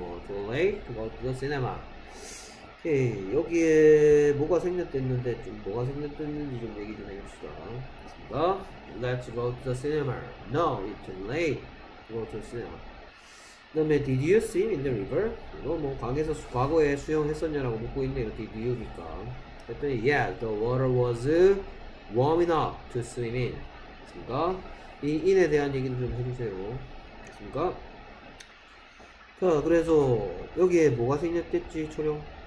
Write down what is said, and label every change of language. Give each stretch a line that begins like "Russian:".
English: 뭐, too late to go to the cinema.
Korean: 오케이, 여기에 뭐가 생략됐는데 좀 뭐가 생략됐는지 좀 얘기 좀 해봅시다. 됐습니다.
English: Let's go to the cinema. No, it's too late to go to the cinema.
Korean: 그 다음에
English: Did you swim in the river?
Korean: 이거 뭐 강에서 과거에 수영했었냐라고 묻고 있네요.
English: Did you니까.
Korean: 그랬더니
English: Yeah, the water was warm enough to swim in.
Korean: 됐습니까? 이 in에 대한 얘기를 좀 해주세요. 됐습니까? 자, 그래서 여기에 뭐가 생략됐지, 초령?